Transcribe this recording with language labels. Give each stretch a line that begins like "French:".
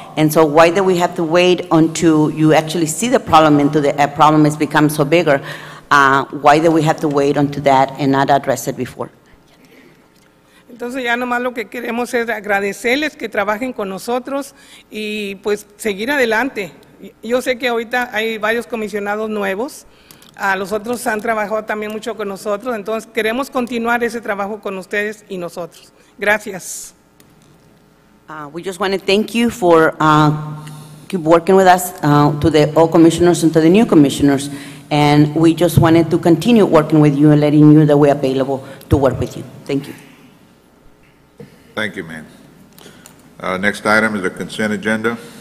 English: And so why do we have to wait until you actually see the problem until the problem has become so bigger? Why do we have to wait until that and not address it before?
Spanish: Entonces ya nomás lo que queremos es agradecerles que trabajen con nosotros y pues seguir adelante. Yo sé que ahorita hay varios comisionados nuevos, los otros han trabajado también mucho con nosotros, entonces queremos continuar ese trabajo con ustedes y nosotros. Gracias.
English: We just want to thank you for keep working with us to the old commissioners and to the new commissioners, and we just wanted to continue working with you and letting you that we're available to work with you. Thank you. Thank you, ma'am. Next item is the consent agenda.